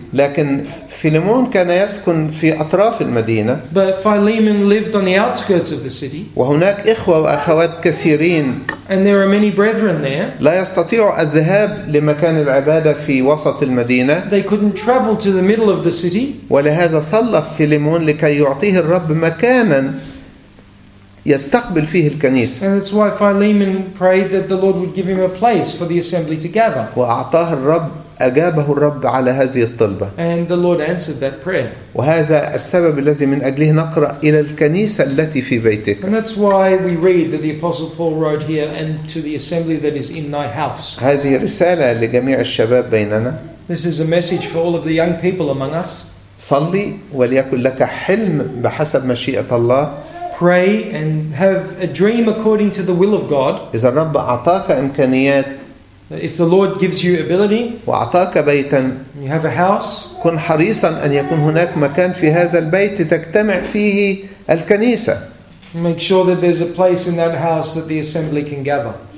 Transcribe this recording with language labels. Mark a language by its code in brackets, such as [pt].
[ar] لكن فيليمون كان يسكن في أطراف المدينة. [en] But Philemon lived on the outskirts of the city. [ar] وهناك إخوة وأخوات كثيرين. [en] And there are many brethren there. [ar] لا يستطيع الذهاب لمكان العبادة في وسط المدينة. [en] They couldn't travel to the middle of the city. [ar] ولهذا صلى فيليمون لكي يعطيه الرب مكانا يستقبل فيه الكنيسة. [en] And that's why Philemon prayed that the Lord would give him a place for the assembly to gather. [ar] وأعطاه الرب أجابه الرب على هذه الطلبة. [en] And the Lord answered that prayer. [ar] وهذا السبب الذي من أجله نقرأ إلى الكنيسة التي في بيتك. [en] And that's why we read that the Apostle Paul wrote here and to the assembly that is in thy house. [ar] هذه رسالة لجميع الشباب بيننا. [en] This is a message for all of the young people among us. [ar] صلي وليكن لك حلم بحسب مشيئة الله. [en] Pray and have a dream according to the will of God. [ar] إذا الرب أعطاك إمكانيات, [en] if the Lord gives you ability, [ar] وأعطاك بيتا, [en] you have a house, [ar] كن حريصا أن يكون هناك مكان في هذا البيت تجتمع فيه الكنيسة. [en] Make sure that there's a place in that house that the assembly can gather.